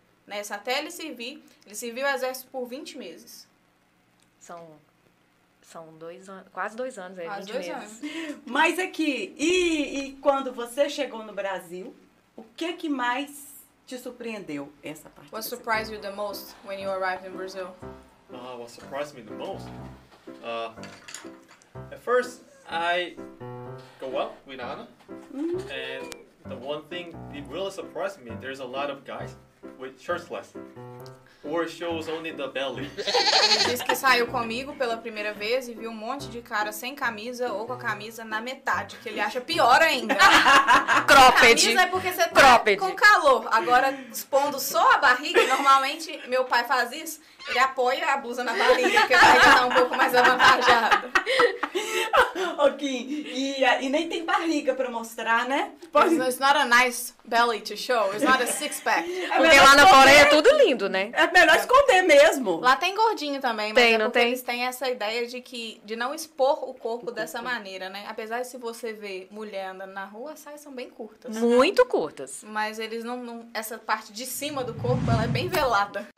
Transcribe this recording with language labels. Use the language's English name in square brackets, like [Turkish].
[Portuguese] Nessa, até ele serviu o exército por 20 meses. São 2 anos, quase 2 anos, é, quase 20 meses. Anos. Mas aqui, e quando você chegou no Brasil, o que que mais te surpreendeu essa parte? [English] What surprised you the most when you arrived in Brazil? What surprised me the most? At first, I go up with Ana, mm-hmm. and the one thing that really surprised me, there's a lot of guys with shirtless, or shows only the belly. [Portuguese] Ele disse que saiu comigo pela primeira vez e viu um monte de cara sem camisa ou com a camisa na metade, que ele acha pior ainda. Cropped. Camisa é porque você tá cropped. Com calor. Agora, expondo só a barriga, normalmente meu pai faz isso, ele apoia a blusa na barriga, porque a barriga tá um pouco mais avantajada. Ok, e nem tem barriga pra mostrar, né? [English] It's not a nice belly to show, it's not a six pack. [Portuguese] Porque lá na Coreia é tudo lindo, né? É melhor esconder mesmo. Lá tem gordinho também, mas tem, é não tem? Eles têm essa ideia de que de não expor o corpo dessa maneira, né? Apesar de se você ver mulher andando na rua, as saias são bem curtas. Muito curtas. Mas eles não, não... Essa parte de cima do corpo, ela é bem velada.